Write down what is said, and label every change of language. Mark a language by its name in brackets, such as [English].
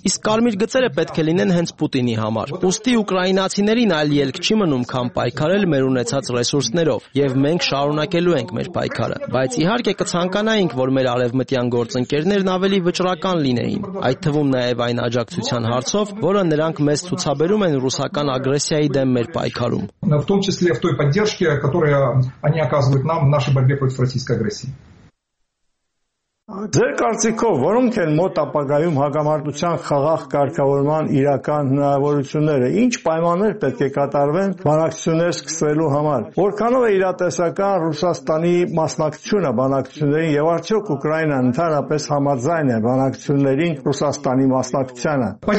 [Armenian] Իսկ կարմիր գծերը պետք է լինեն հենց Պուտինի համար։ Ուստի ուկրաինացիներին այլ ելք չի մնում, քան պայքարել մեր ունեցած ռեսուրսներով, և մենք շարունակելու ենք մեր պայքարը։ Բայց իհարկե կցանկանայինք, որ մեր արևմտյան գործընկերներն ավելի վճռական լինեին, այդ թվում նաև այն աջակցության հարցով, որը նրանք մեզ ցուցաբերում են ռուսական ագրեսիայի դեմ մեր պայքարում։ [Russian] В том числе в той поддержке, которую они оказывают нам в нашей борьбе против российской агрессии. [Armenian] Ձեր կարծիքով, որոնք են մոտ ապագայում հակամարտության խաղաղ կարգավորման իրական հնարավորությունները, ինչ պայմաններ պետք է կատարվեն բանակցություններ սկսվելու համար, որքանով է իրատեսական Ռուսաստանի մասնակցությունը բանակցություններին, և արդյոք Ուկրաինան ընդհանրապես համաձայն է բանակցություններին Ռուսաստանի մասնակցությանը։